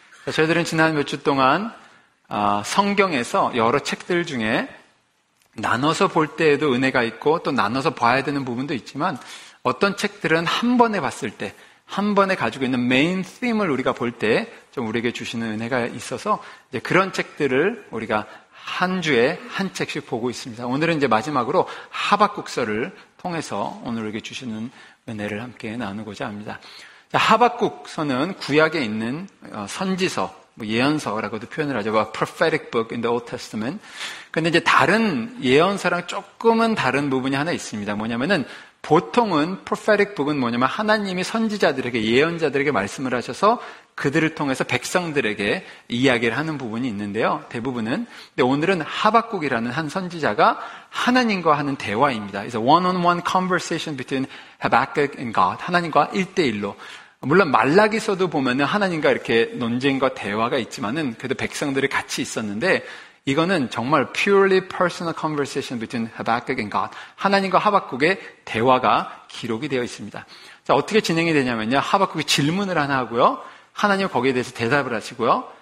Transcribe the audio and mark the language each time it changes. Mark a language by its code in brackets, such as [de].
[ko] 저희들은 지난 몇 주 동안 성경에서 여러 책들 중에 나눠서 볼 때에도 은혜가 있고 또 나눠서 봐야 되는 부분도 있지만 어떤 책들은 한 번에 봤을 때 한 번에 가지고 있는 메인 팀을 우리가 볼 때 좀 우리에게 주시는 은혜가 있어서 이제 그런 책들을 우리가 한 주에 한 책씩 보고 있습니다. 오늘은 이제 마지막으로 하박국서를 통해서 오늘 우리에게 주시는 은혜를 함께 나누고자 합니다. 하박국서는 구약에 있는 선지서, 예언서라고도 표현을 하죠. [en] Prophetic book in the Old Testament. [ko] 근데 이제 다른 예언서랑 조금은 다른 부분이 하나 있습니다. 뭐냐면은 보통은 Prophetic book은 뭐냐면 하나님이 선지자들에게, 예언자들에게 말씀을 하셔서 그들을 통해서 백성들에게 이야기를 하는 부분이 있는데요. 대부분은. 근데 오늘은 하박국이라는 한 선지자가 하나님과 하는 대화입니다. [en] It's a one-on-one conversation between Habakkuk and God. [ko] 하나님과 1대1로. 물론 말라기서도 보면은 하나님과 이렇게 논쟁과 대화가 있지만은 그래도 백성들이 같이 있었는데 이거는 정말 [en] purely personal conversation between Habakkuk and God. [ko] 하나님과 하박국의 대화가 기록이 되어 있습니다. 자, 어떻게 진행이 되냐면요. 하박국이 질문을 하나 하고요. 하나님은 거기에 대해서 대답을 하시고요.